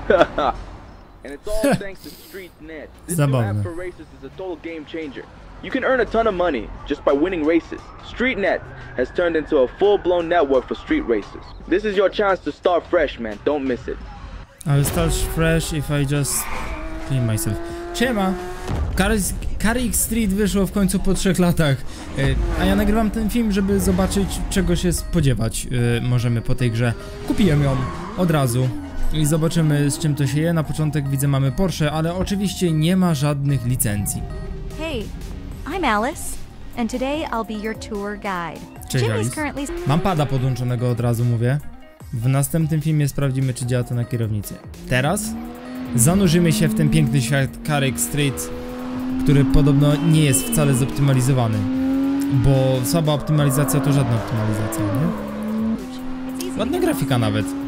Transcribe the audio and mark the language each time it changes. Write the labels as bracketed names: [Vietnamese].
[English] And it's all thanks to StreetNet. This new app for races is a total game changer. You can earn a ton of money just by winning races. StreetNet has turned into a full-blown network for street races. This is your chance to start fresh, man. Don't miss it. I'll start fresh if I just clean myself. [Polish] Siema! Kary X Street wyszło w końcu po 3 latach. A ja nagrywam ten film, żeby zobaczyć, czego się spodziewać możemy po tej grze. Kupiłem ją od razu i zobaczymy, z czym to się je. Na początek widzę, mamy Porsche, ale oczywiście nie ma żadnych licencji. [English] Hey! I'm Alice, and today I'll be your tour guide. [Polish] Cześć, Alice. [English] Currently... [Polish] Mam pada podłączonego, od razu mówię. W następnym filmie sprawdzimy, czy działa to na kierownicy. Teraz zanurzymy się w ten piękny świat Carrick Street, który podobno nie jest wcale zoptymalizowany. Bo słaba optymalizacja to żadna optymalizacja, nie? Ładna grafika nawet.